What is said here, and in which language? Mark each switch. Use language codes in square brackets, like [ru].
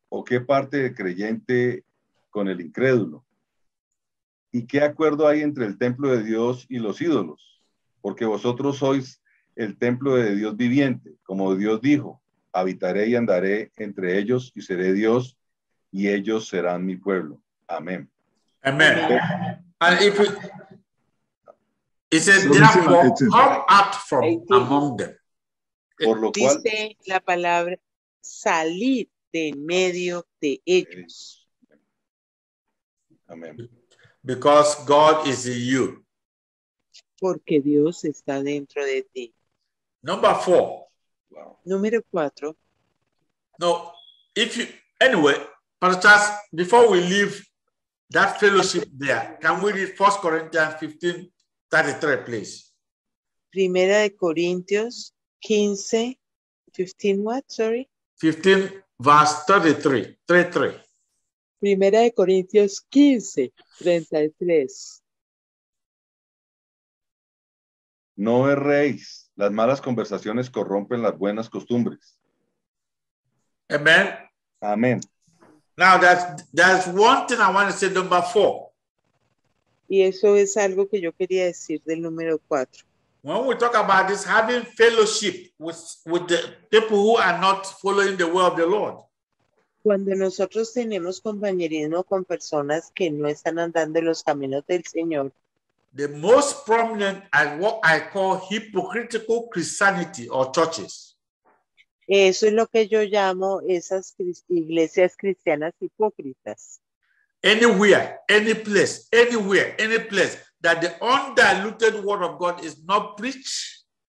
[es] ¿O qué parte del creyente con el incrédulo? ¿Y qué acuerdo hay entre el templo de Dios y los ídolos? Porque vosotros sois el templo de Dios viviente, como Dios dijo, habitaré y andaré entre ellos y seré Dios, y ellos serán mi pueblo. Amén. Amén. [en] And if it says, therefore, come out from among them. [es] Por lo cual, dice la palabra, salir de medio de ellos. Amén. [en] Because God is in you. [es] Porque Dios está dentro de ti. [en] Number four. [es] Wow. Número cuatro. [en] No, if you, anyway, Pastor, before we leave that fellowship there, can we read 1 Corinthians 15, 33, please? [es] Primera de Corintios 15, 15 [en] what, sorry? 15, verse 33, 33. [es] Primera de Corintios 15, 33. No erréis. Las malas conversaciones corrompen las buenas costumbres. [en] Amen. Amen. Now, there's one thing I want to say, number four. [es] Y eso es algo que yo quería decir del número cuatro. [en] When we talk about this, having fellowship with the people who are not following the way of the Lord. [es] Cuando nosotros tenemos compañerismo con personas que no están andando en los caminos del Señor. [en] The most prominent are what I call hypocritical Christianity or churches. [es] Eso es lo que yo llamo esas iglesias cristianas hipócritas. [en] Anywhere, any place that the undiluted word of God is not preached.